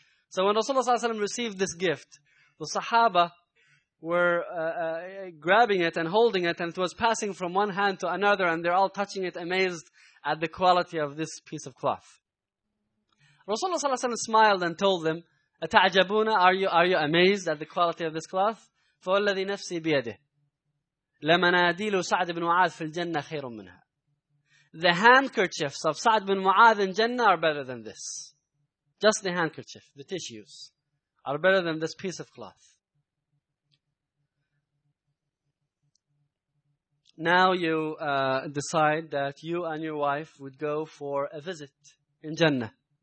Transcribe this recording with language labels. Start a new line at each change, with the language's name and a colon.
English: So when Rasulullah sallallahu alaihi wasallam received this gift, the Sahaba were grabbing it and holding it, and it was passing from one hand to another, and they're all touching it, amazed at the quality of this piece of cloth. Rasulullah sallallahu alaihi wasallam smiled and told them, "Ata'jabuna? Are you amazed at the quality of this cloth?"
Arabic: فوالذي نفسي بيده لمناديل سعد بن معاذ في الجنة خير منها.
English: The handkerchiefs of سعد بن معاذ in Jannah are better than this. Just the handkerchief, the tissues, are better than this piece of cloth. Now you decide that you and your wife would go for a visit in Jannah.